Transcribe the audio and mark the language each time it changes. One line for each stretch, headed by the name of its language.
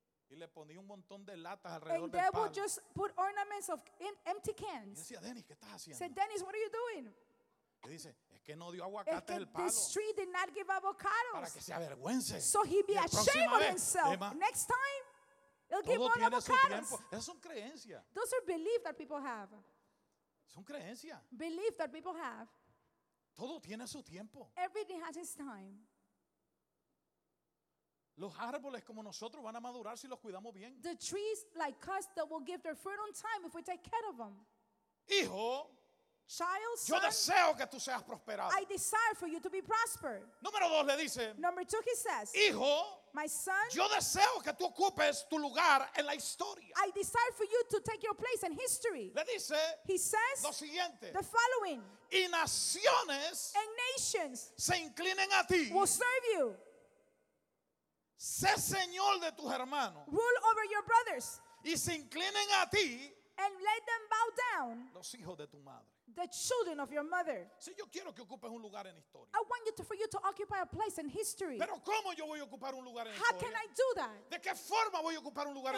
Spanish: Y le ponía un montón de latas alrededor
English: and
Spanish: del palo.
English: And they would just put ornaments of empty cans.
Spanish: Y decía Dennis, ¿qué estás haciendo?
English: Said Dennis, what are you doing?
Spanish: Que dice, es que no dio aguacate el palo.
English: This tree did not give avocados.
Spanish: Para que se avergüence.
English: So he be ashamed of himself. Next time, he'll give more avocados.
Spanish: Esas son creencias.
English: Those are beliefs that people have.
Spanish: Son creencias.
English: Belief that people have.
Spanish: Todo tiene su tiempo.
English: Everything has its time.
Spanish: Los árboles como nosotros van a madurar si los cuidamos bien.
English: The trees like us that will give their fruit on time if we take care of them.
Spanish: Hijo,
English: child,
Spanish: yo
English: son,
Spanish: deseo que tú seas prosperado.
English: I desire for you to be prospered.
Spanish: Número dos le dice.
English: Number two he says.
Spanish: Hijo,
English: my son,
Spanish: yo deseo que tú ocupes tu lugar en la historia.
English: I desire for you to take your place in history.
Spanish: Le dice.
English: He says.
Spanish: Lo siguiente.
English: The following.
Spanish: Y naciones
English: and nations
Spanish: se inclinen a ti.
English: Will serve you.
Spanish: Sé señor de tus hermanos.
English: Rule over your brothers.
Spanish: Y se inclinen a ti.
English: And let them bow down.
Spanish: Los hijos de tu madre.
English: The children of your mother.
Spanish: Si yo quiero que ocupes un lugar en historia.
English: I want you to, for you to occupy a place in history.
Spanish: Pero ¿cómo yo voy a ocupar un lugar en
English: how
Spanish: historia?
English: Can I do that?
Spanish: ¿De qué forma voy a ocupar un lugar